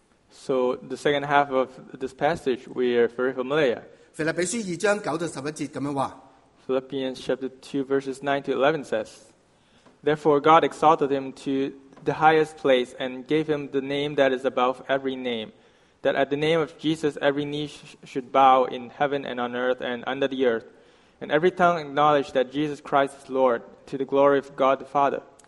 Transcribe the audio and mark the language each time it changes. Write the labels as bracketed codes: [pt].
[en] So the second half of this passage, we are very familiar. [yue] 腓立比书二章九到十一节咁样话。 [en] Philippians chapter 2:9-11 says, Therefore God exalted him to the highest place and gave him the name that is above every name. That at the name of Jesus every knee should bow in heaven and on earth and under the earth, and every tongue acknowledge that Jesus Christ is Lord, to the glory of God the Father.